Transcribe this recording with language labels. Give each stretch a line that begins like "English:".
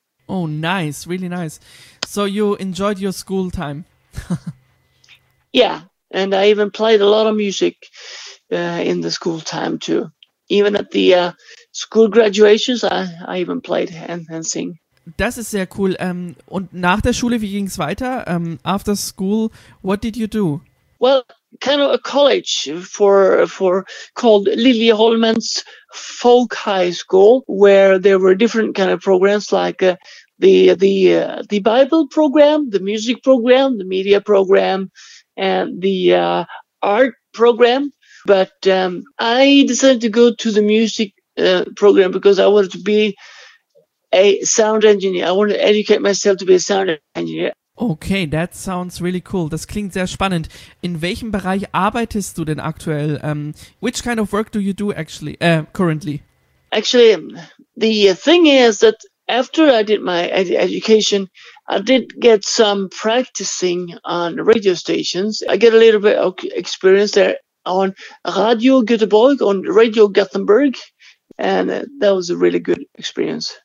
English: Oh, nice. Really nice. So you enjoyed your school time. Yeah. And I even played a lot of music in the school time too. Even at the school graduations, I even played and sing.
German: Das ist sehr cool. Und nach der Schule, wie ging es weiter?
English: After school, what did you do? Well, kind of a college for called Liljeholmens Folk High School, where there were different kind of programs like the Bible program, the music program, the media program, and the art program. But I decided to go to the music program because I wanted to be a sound engineer. I want to educate myself to be a sound engineer. Okay, that sounds really cool.
German: Das klingt sehr spannend. In welchem Bereich arbeitest du denn aktuell?
English: Which kind of work do you do actually currently? Actually, the thing is that after I did my education, I did get some practicing on radio stations. I get a little bit of experience there on Radio Göteborg, on Radio Gothenburg, and that was a really good experience.